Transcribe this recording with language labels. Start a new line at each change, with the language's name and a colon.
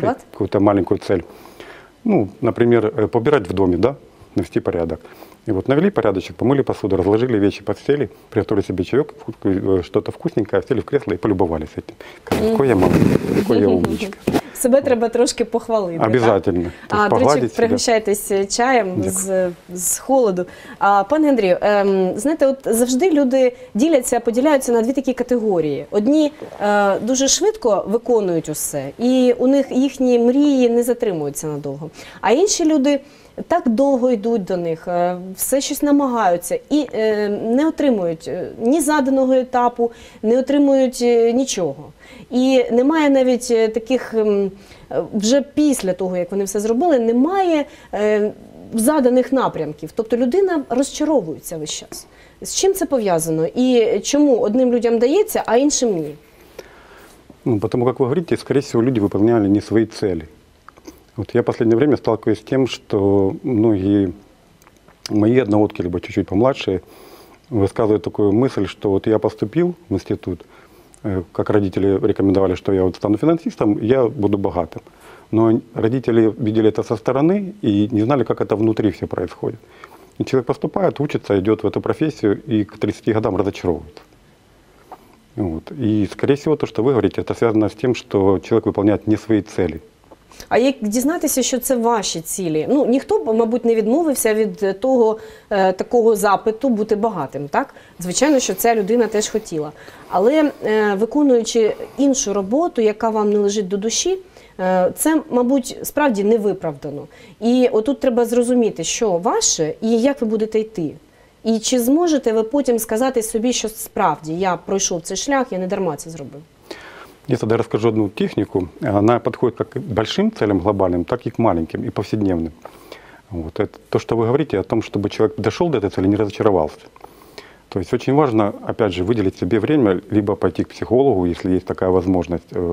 Russian: Поставили какую-то маленькую цель. Ну, например, побирать в доме, да? Навести порядок. И вот навели порядочек, помыли посуду, разложили вещи, подсели, приготовили себе чаек, что-то вкусненькое, сели в кресло и полюбовались этим. Какой я маленький, какой я умничка.
Ukrainian: Себе треба трошки похвалити.
Russian: Обязательно.
Ukrainian: Так? А, до речі, пригощайтесь чаєм з холоду. А, пане Андрію, знаєте, от завжди люди діляться, поділяються на дві такі категорії. Одні дуже швидко виконують усе, і у них їхні мрії не затримуються надовго. А інші люди так довго йдуть до них, все щось намагаються і не отримують ні заданого етапу, не отримують нічого. І немає навіть таких, вже після того, як вони все зробили, немає заданих напрямків. Тобто людина розчаровується весь час. З чим це пов'язано? І чому одним людям дається, а іншим ні? Ну, тому, як ви говорите, скоріше всього, люди виконували не свої цілі.
Russian: Вот я в последнее время сталкиваюсь с тем, что многие мои одногодки, либо чуть-чуть помладше, высказывают такую мысль, что вот я поступил в институт, как родители рекомендовали, что я вот стану финансистом, я буду богатым. Но родители видели это со стороны и не знали, как это внутри все происходит. И человек поступает, учится, идет в эту профессию и к 30 годам разочаровывается. Вот. И, скорее всего, то, что вы говорите, это связано с тем, что человек выполняет не свои цели.
Ukrainian: А як дізнатися, що це ваші цілі? Ну, ніхто, мабуть, не відмовився від того такого запиту бути багатим, так? Звичайно, що ця людина теж хотіла. Але виконуючи іншу роботу, яка вам не лежить до душі, це, мабуть, справді невиправдано. І отут треба зрозуміти, що ваше і як ви будете йти. І чи зможете ви потім сказати собі, що справді я пройшов цей шлях, я не дарма це зробив?
Russian: Я тогда расскажу одну технику. Она подходит как к большим целям глобальным, так и к маленьким, и повседневным. Вот. Это то, что вы говорите о том, чтобы человек дошел до этой цели, не разочаровался. То есть очень важно, опять же, выделить себе время, либо пойти к психологу, если есть такая возможность.